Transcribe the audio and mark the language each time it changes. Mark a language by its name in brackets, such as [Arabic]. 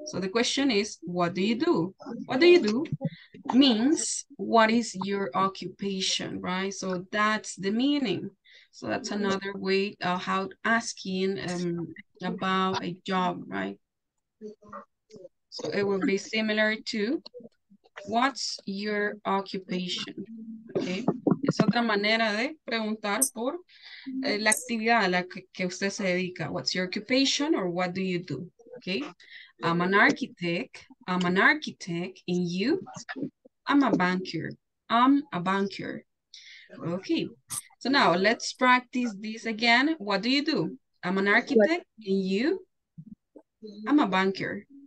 [English] So the question is, what do you do? What do you do means what is your occupation, right? So that's the meaning. So that's another way of how asking about a job, right? So it will be similar to what's your occupation, okay? [Spanish] Es otra manera de preguntar por la actividad a la que usted se dedica. [English] What's your occupation or what do you do, okay? I'm an architect. I'm an architect. And you? I'm a banker. I'm a banker. Okay. So now let's practice this again. What do you do? I'm an architect. And you? I'm a banker.